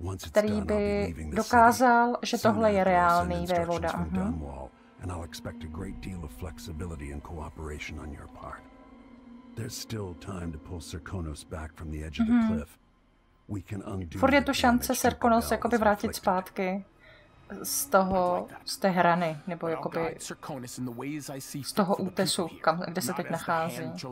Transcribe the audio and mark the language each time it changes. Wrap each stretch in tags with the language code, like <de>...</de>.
<cs>který by dokázal, že tohle je reálný vévoda.</cs> <en>And I'll expect a great deal of flexibility and cooperation on your part. There's still time to pull Cirkonos back from the edge of the cliff. We can undo.</en> <cs>Furt je tu šance Cirkonos jakoby vrátit zpátky z toho, z té hrany, nebo jakoby z toho útesu, kam, kde se teď nachází.</cs>